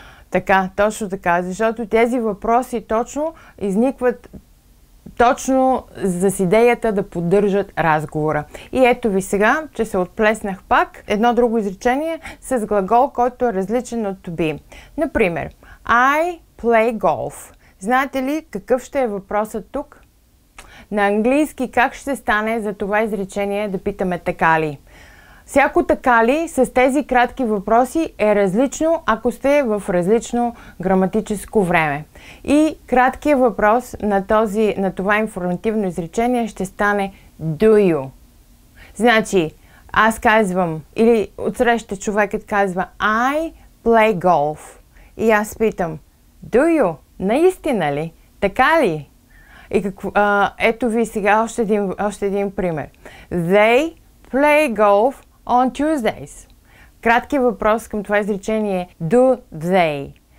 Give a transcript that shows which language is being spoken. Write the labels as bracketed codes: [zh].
[bg] Така, точно така, защото тези въпроси точно изникват точно за идеята да поддържат разговора. И ето ви сега, че се отплеснах пак, едно друго изречение с глагол, който е различен от to be. Например, [en] I play golf. [bg] Знаете ли какъв ще е въпросът тук? На английски как ще стане за това изречение да питаме така ли? Всяко така ли с тези кратки въпроси е различно, ако сте в различно граматическо време. И краткият въпрос на това информативно изречение ще стане [en] do you? [bg] Значи, аз казвам, или отсреща човекът казва [en] I play golf. [bg] И аз питам, [en] do you? [bg] Наистина ли? Така ли? И ето ви сега още един пример. [en] They play golf on Tuesdays. [bg] Кратки въпрос към това изречение е [en] do they?